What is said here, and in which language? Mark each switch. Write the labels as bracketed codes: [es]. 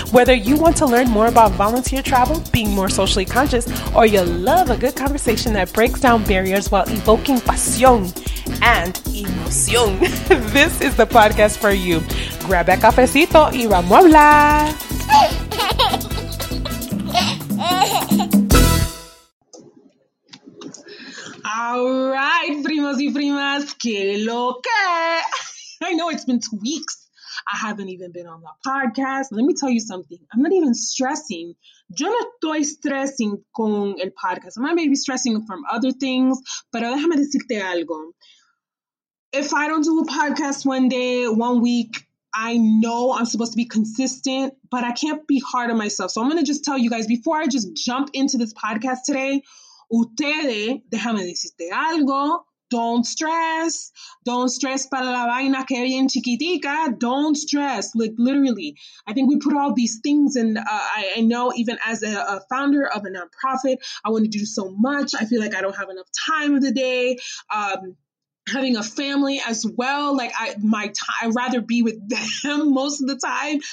[en] Whether you want to learn more about volunteer travel, being more socially conscious, or you love a good conversation that breaks down barriers while evoking pasión and emoción, this is the podcast for you. Grab a [es] cafecito y vamos a hablar. [en] All right, [es] primos y primas, que lo que. [en] I know it's been 2 weeks. I haven't even been on the podcast. Let me tell you something. I'm not even stressing. [es] Yo no estoy stressing con el podcast. [en] I might be stressing from other things, [es] pero déjame decirte algo. [en] If I don't do a podcast one day, 1 week, I know I'm supposed to be consistent, but I can't be hard on myself. So I'm going to just tell you guys, before I just jump into this podcast today, [es] ustedes, déjame decirte algo, [en] don't stress [es] para la vaina que bien chiquitica, [en] don't stress, like literally, I think we put all these things in, I know even as a founder of a nonprofit, I want to do so much, I feel like I don't have enough time of the day, having a family as well, like I'd rather be with them most of the time.